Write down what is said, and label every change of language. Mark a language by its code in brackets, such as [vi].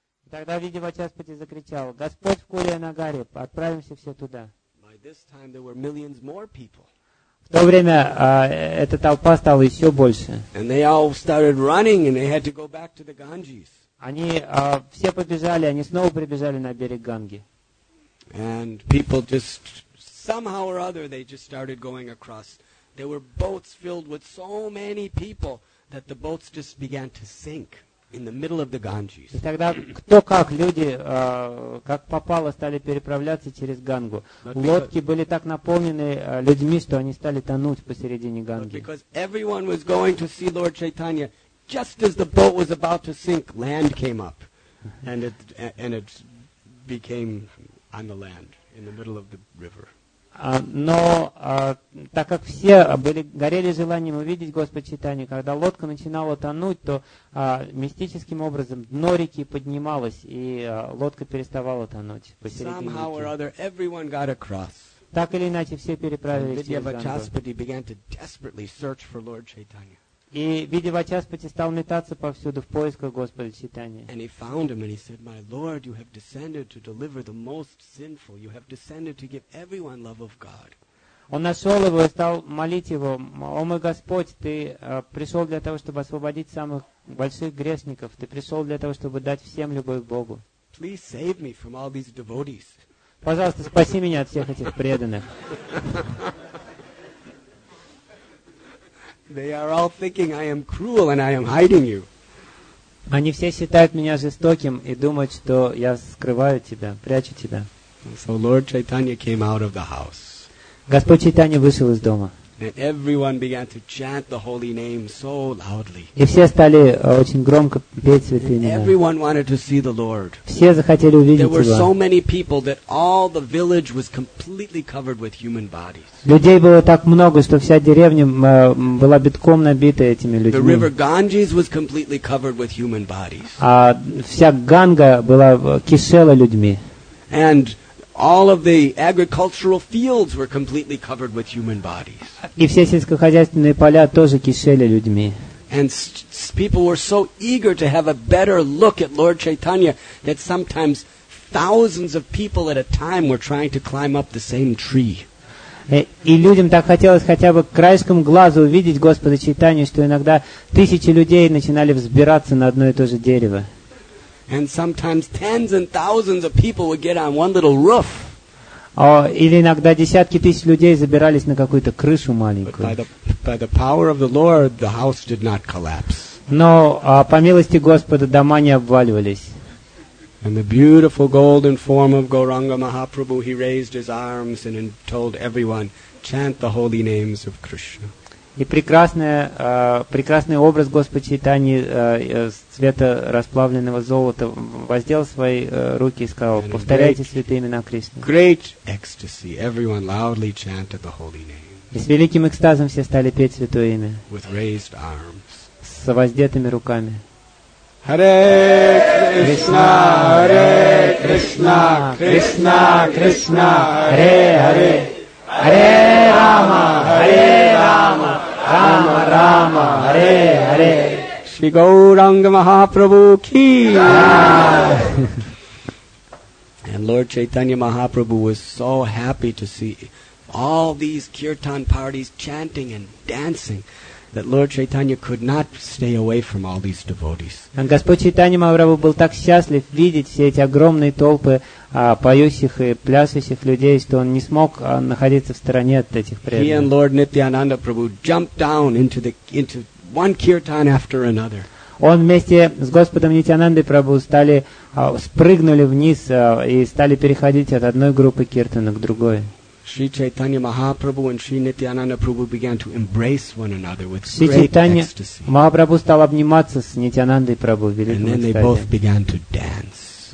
[ru] Тогда Видья Вачаспати закричал: "Господь в Кулия Нагаре, отправимся все туда." В то время эта толпа стала еще больше. [en] And they all started running, and they had to go back to the Ganges. [ru] Они все побежали, они снова прибежали на берег Ганги. [en] And people just somehow or other they just started going across. There were boats filled with so many people that the boats just began to sink in the middle of the Ganges. [ru] И тогда кто как люди как попало стали переправляться через Гангу. Лодки были так наполнены людьми, что они стали тонуть посередине Ганги. [en] Because everyone was going to see Lord Chaitanya, just as the boat was about to sink, land came up, and it became on the land in the middle of the river. [ru] Но так как все горели желанием увидеть Господь Чайтанья, когда лодка начинала тонуть, то мистическим образом дно реки поднималось, и лодка переставала тонуть посередине [en] Somehow [ru] реки. [en] Or other, everyone got across. [ru] Так или иначе, все переправились через Гангу. [en] And Vidya Vachaspati began to desperately search for Lord Chaitanya. [ru] И Vidya Vachaspati стал метаться повсюду в поисках Господа Чайтанья. [en] And he found him and he said, "My Lord, you have descended to deliver the most sinful. You have descended to give everyone love of God." [ru] Он нашел его и стал молить его: "О мой Господь, ты пришел для того, чтобы освободить самых больших грешников. Ты пришел для того, чтобы дать всем любовь к Богу. [en] Please save me from all these devotees." [ru] Пожалуйста, спаси меня от всех этих преданных. [en] They are all thinking I am cruel and I am hiding you. [ru] Они все считают меня жестоким и думают, что я скрываю тебя, прячу тебя. [en] So Lord Chaitanya came out of the house. [ru] Господь Чайтанья вышел из дома. [en] And everyone began to chant the holy name so loudly. [ru] И все стали очень громко петь святые имена. [en] Everyone wanted to see the Lord. [ru] Все захотели увидеть его. [en] There were so many people that all the village was completely covered with human bodies. [ru] Людей было так много, что вся деревня была битком набита этими людьми. [en] The river Ganges was completely covered with human bodies. [ru] А вся Ганга была кишела людьми. [en] And all of the agricultural fields were completely covered with human bodies. [ru] И все сельскохозяйственные поля тоже кишели людьми. [en] And people were so eager to have a better look at Lord Chaitanya that sometimes thousands of people at a time were trying to climb up the same tree. [ru] И людям так хотелось хотя бы краешком глаза увидеть Господа Чайтанью, что иногда тысячи людей начинали взбираться на одно и то же дерево. [en] And sometimes tens and thousands of people would get on one little roof. [ru] Или иногда десятки тысяч людей забирались на какую-то крышу маленькую. [en] By the power of the Lord, the house did not collapse. [ru] Но по милости Господа дома не обваливались. [en] And the beautiful golden form of Gauranga Mahaprabhu, he raised his arms and told everyone, "Chant the holy names of Krishna." [ru] И прекрасный образ Господа Чайтаньи цвета расплавленного золота воздел свои руки и сказал: "Повторяйте святые имена Кришны." [en] Great ecstasy, everyone loudly chanted the holy name. [ru] И с великим экстазом все стали петь святое имя. [en] With raised arms. [ru] С воздетыми руками. [sa] Hare Krishna, Hare Krishna, Krishna Krishna, Hare Hare. Hare Rama, Hare Rama, Rama Rama, Hare Hare. [hi] Shri Gauranga Mahaprabhu ki. [en] And Lord Chaitanya Mahaprabhu was so happy to see all these kirtan parties chanting and dancing that Lord Chaitanya could not stay away from all these devotees. [ru] And Господь Чайтанья Махапрабху был так счастлив видеть все эти огромные толпы поющих и плясущих людей, что он не смог находиться в стороне от этих преданных. [en] He and Lord Nityananda Prabhu jumped down into one kirtan after another. [ru] Он вместе с Господом Нитянандой Прабху стали спрыгнули вниз и стали переходить от одной группы киртана к другой. [en] Sri Chaitanya Mahaprabhu and Sri Nityananda Prabhu began to embrace one another with great ecstasy. [ru] Махапрабху стал обниматься с Нитянандой Прабху в великом экстазе. [en] And then they both began to dance.